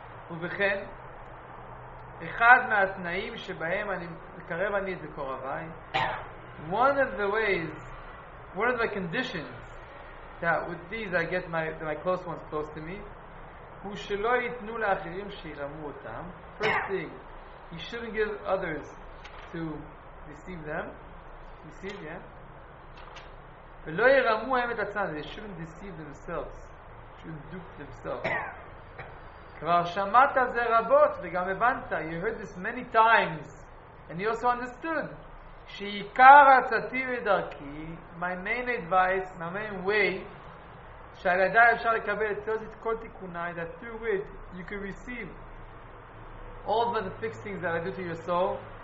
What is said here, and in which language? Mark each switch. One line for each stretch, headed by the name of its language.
Hebrew: ובכן, אחד מהתנאים שבהם אני מקרב אני את מקורביי,
English: one of the ways, one of the conditions that with these I get my close ones close to me,
Hebrew: הוא שלא ייתנו לאחרים שירמו אותם.
English: First thing, you shouldn't give others to deceive them. Deceive, yeah?
Hebrew: ולא ירמו הם את עצמם.
English: They shouldn't deceive themselves. Shouldn't dupe themselves.
Hebrew: כבר שמעת זה רבות וגם הבנת.
English: You heard this many times. And you also understood.
Hebrew: שעיקר הצעתי ודרכי,
English: my main advice, my main way,
Hebrew: שעל ידי אפשר לקבל את כל תיקוני,
English: that through it you can receive all of the fixed things that I do to your soul.